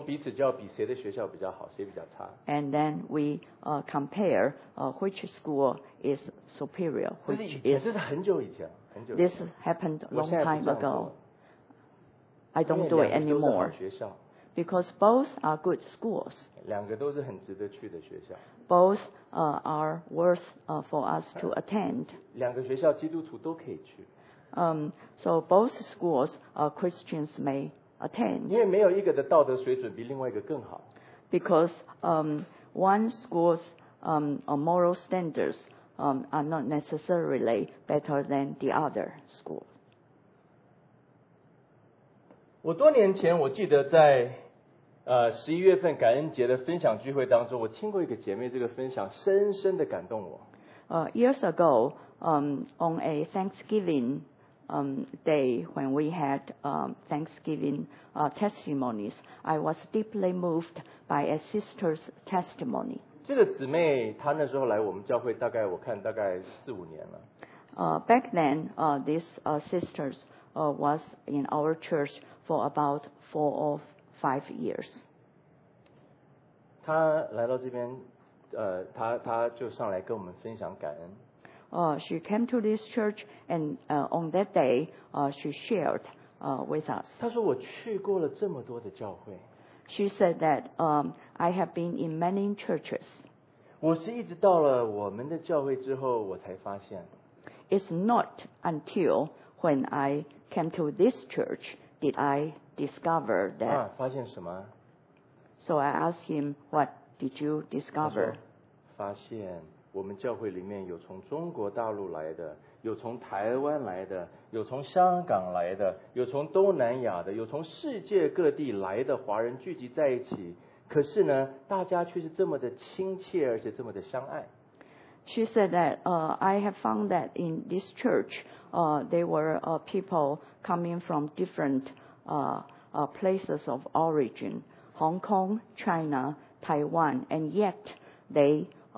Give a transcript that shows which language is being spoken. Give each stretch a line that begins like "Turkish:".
Chinese: 我们彼此就要比谁的学校比较好，谁比较差。
English: And then we compare which school is superior, which is.
Chinese: 这是很久以前，很久。
English: This happened long time ago. I don't do it anymore. Because both are good schools.
Chinese: 两个都是很值得去的学校。
English: Both are worth for us to attend.
Chinese: 两个学校基督徒都可以去。
English: So both schools Christians may attend.
Chinese: 因为没有一个的道德水准比另外一个更好。
English: Because one school's moral standards are not necessarily better than the other school.
Chinese: 我多年前我记得在十一月份感恩节的分享聚会当中，我听过一个姐妹这个分享，深深的感动我。
English: Years ago, on a Thanksgiving. Day when we had Thanksgiving testimonies, I was deeply moved by a sister's testimony.
Chinese: 这个姊妹她那时候来我们教会大概我看大概四五年了。
English: Back then, this sisters was in our church for about 4 or 5 years.
Chinese: 她来到这边，她就上来跟我们分享感恩。
English: She came to this church and on that day she shared with us.
Chinese: 她说我去过了这么多的教会。
English: She said that I have been in many churches.
Chinese: 我是一直到了我们的教会之后我才发现。
English: It's not until when I came to this church did I discover that.
Chinese: 啊，发现什么？
English: So I asked him, what did you discover?
Chinese: 发现。我们教会里面有从中国大陆来的，有从台湾来的，有从香港来的，有从东南亚的，有从世界各地来的华人聚集在一起。可是呢，大家却是这么的亲切，而且这么的相爱。
English: She said that I have found that in this church, there were people coming from different places of origin, Hong Kong, China, Taiwan, and yet they.